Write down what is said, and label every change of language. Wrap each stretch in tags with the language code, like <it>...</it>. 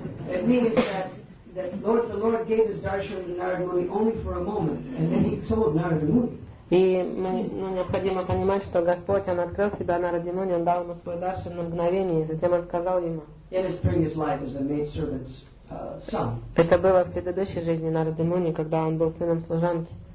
<en>It means that the Lord gave his darshan to Narada Muni only for a moment, and then he told Narada Muni.</en> <ru>И мы, ну, необходимо понимать, что Господь, он открыл себя на Нараде Муне, он дал ему свой даршан на мгновение, и затем он сказал ему.</ru> <en>In his previous life as a maid servant's son.</en> <ru>Это было в предыдущей жизни Нараде Муни, когда он был сыном служанки.</ru>